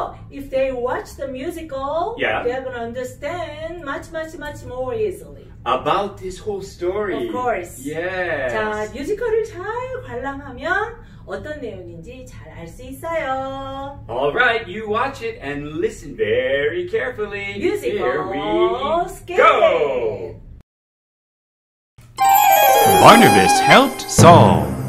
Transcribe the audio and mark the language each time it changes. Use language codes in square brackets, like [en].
[en] If they watch the musical, they're going to understand much, much, much more easily. About this whole story. Of course. Yes. [ko] 자, 뮤지컬을 잘 관람하면 어떤 내용인지 잘 알 수 있어요. [en] All right, you watch it and listen very carefully. Musical. Barnabas helped Saul.